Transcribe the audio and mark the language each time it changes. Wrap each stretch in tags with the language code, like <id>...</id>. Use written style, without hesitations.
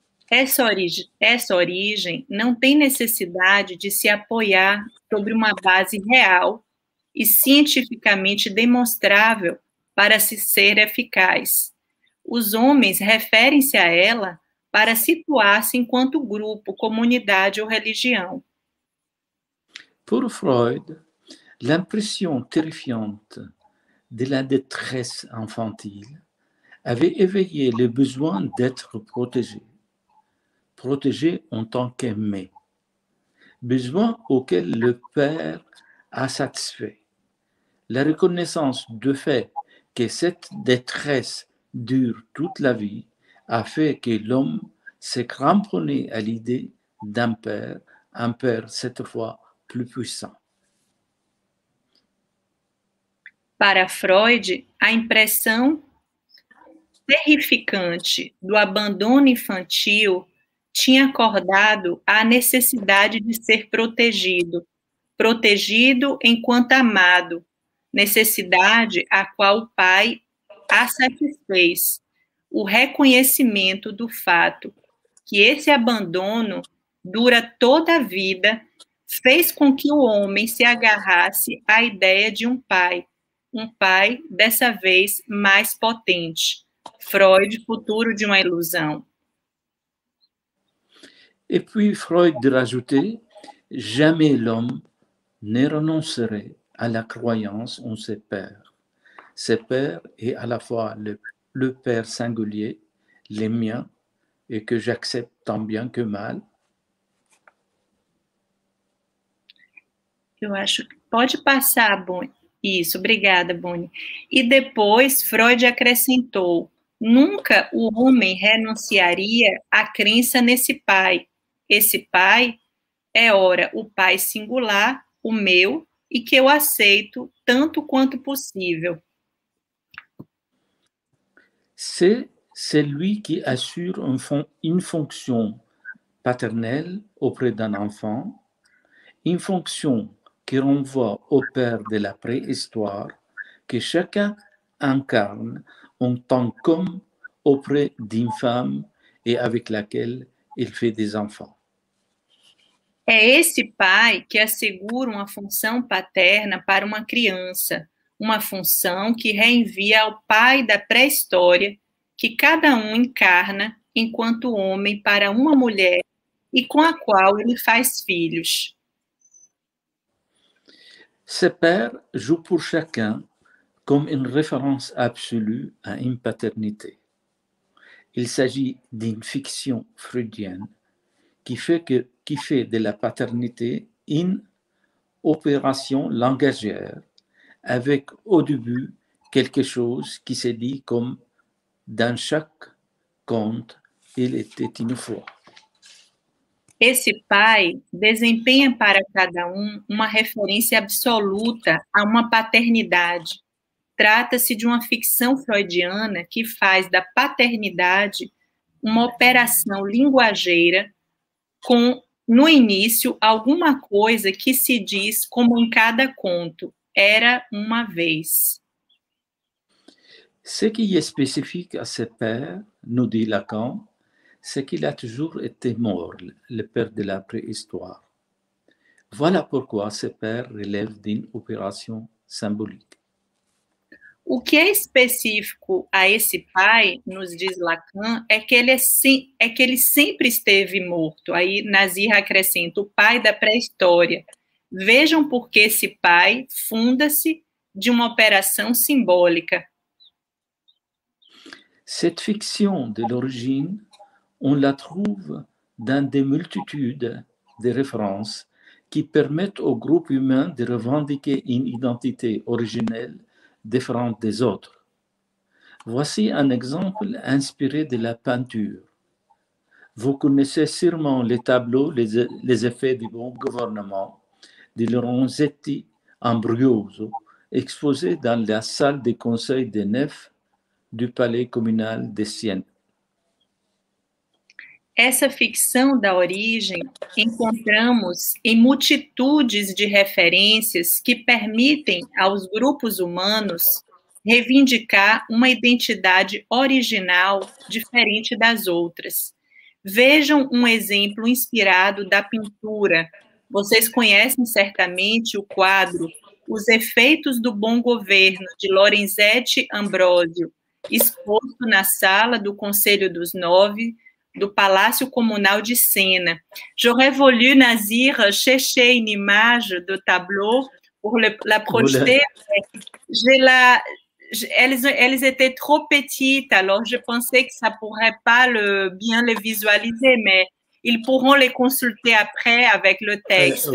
<pt>Essa origem não tem necessidade de se apoiar sobre uma base real e cientificamente demonstrável para se ser eficaz. Os homens referem-se a ela para situar-se enquanto grupo, comunidade ou religião.</pt> <fr>Para Freud, l'impression terrifiante de la détresse infantile avait éveillé le besoin d'être protégé, protégé en tant qu'aimé, besoin auquel le père a satisfait. La reconnaissance du fait que cette détresse dure toute la vie a fait que l'homme s'est cramponné à l'idée d'un père, cette fois plus puissant.</fr> <pt>Para Freud, a impressão terrificante do abandono infantil tinha acordado a necessidade de ser protegido, protegido enquanto amado, necessidade a qual o pai a satisfez, o reconhecimento do fato que esse abandono dura toda a vida fez com que o homem se agarrasse à ideia de um pai dessa vez mais potente. Freud, futuro de uma ilusão.</pt> <fr>E puis Freud rajoutait, jamais l'homme ne renoncerait à la croyance en ses pères. Ses pères est à la fois le père singulier, le mien, et que j'accepte tant bien que mal.</fr> <pt>Eu acho que pode passar, Boni. Isso, obrigada, Boni. E depois, Freud acrescentou, nunca o homem renunciaria à crença nesse pai. Esse pai é, ora, o pai singular, o meu, e que eu aceito tanto quanto possível.</pt> <fr>C'est celui qui assure une fonction paternelle auprès d'un enfant, une fonction qui renvoie au père de la préhistoire, que chacun incarne en tant qu'homme auprès d'une femme et avec laquelle il fait des enfants.</fr> <pt>É esse pai que assegura uma função paterna para uma criança, uma função que reenvia ao pai da pré-história, que cada um encarna enquanto homem para uma mulher e com a qual ele faz filhos.</pt> <fr>Ce père joue pour chacun comme une référence absolue à une paternité. Il s'agit d'une fiction freudienne qui fait de la paternité une opération langagière avec au début quelque chose qui se dit comme dans chaque conte, il était une fois.</fr> <pt>Esse pai desempenha para cada um uma referência absoluta a uma paternidade. Trata-se de uma ficção freudiana que faz da paternidade uma operação linguageira com, no início, alguma coisa que se diz como em cada conto. Era uma vez.</pt> <fr>Ce qui est spécifique à ses pères, nous dit Lacan, c'est qu'il a toujours été mort, le père de la préhistoire. Voilà pourquoi ce père relève d'une opération symbolique.</fr> <pt>O que é específico a esse pai, nos diz Lacan, é que ele sempre esteve morto. Aí Nazir acrescenta, o pai da pré-história. Vejam por que esse pai funda-se de uma operação simbólica.</pt> <fr>Cette fiction de l'origine, on la trouve dans des multitudes de références qui permettent au groupe humain de revendiquer une identité originelle différente des autres. Voici un exemple inspiré de la peinture. Vous connaissez sûrement les tableaux « Les effets du bon gouvernement » de Lorenzetti Ambrogio, exposé dans la salle des conseils des nefs du palais communal de Sienne.</fr> <pt>Essa ficção da origem encontramos em multitudes de referências que permitem aos grupos humanos reivindicar uma identidade original diferente das outras. Vejam um exemplo inspirado da pintura. Vocês conhecem certamente o quadro Os Efeitos do Bom Governo, de Lorenzetti Ambrosio, exposto na sala do Conselho dos Nove, do Palácio Comunal de Sena.</pt> <fr>J'aurais voulu, Nazir, chercher une image de tableau pour la projeter. Elles étaient trop petites, alors je pensais que ça ne pourrait pas bien les visualiser, mais ils pourront les consulter après avec le texte.</fr>